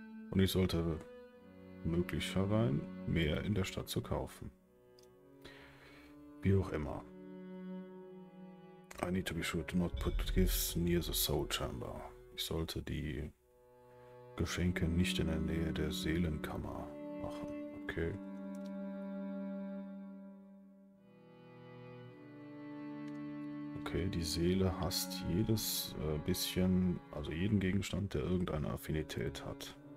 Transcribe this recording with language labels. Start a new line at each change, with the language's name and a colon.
German: Und ich sollte möglicherweise mehr in der Stadt zu kaufen. Wie auch immer.
English: I need to be sure to not put gifts near the soul chamber.
German: Ich sollte die Geschenke nicht in der Nähe der Seelenkammer machen. Okay. Okay, die Seele hasst jedes bisschen, also jeden Gegenstand, der irgendeine Affinität hat.